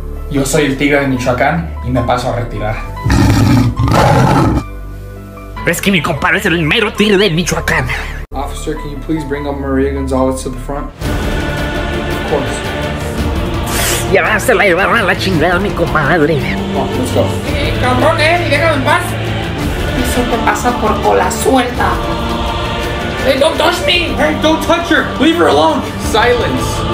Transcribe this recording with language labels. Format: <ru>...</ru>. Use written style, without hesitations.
<es>Yo soy el tigre de Michoacán y me paso a retirar. Es que mi compadre es el mero tigre de Michoacán.</es> <en>Officer, can you please bring up Maria Gonzalez to the front? Of course.</en> <es>Ya se la llevaron a la chingada, mi compadre. Vamos,</es> <en>let's go.</en> <es>Cabrón, déjame en paz. Eso te pasa por cola suelta.</es> <en>Hey, don't touch me. Hey, don't touch her. Leave her alone. Silence.</en>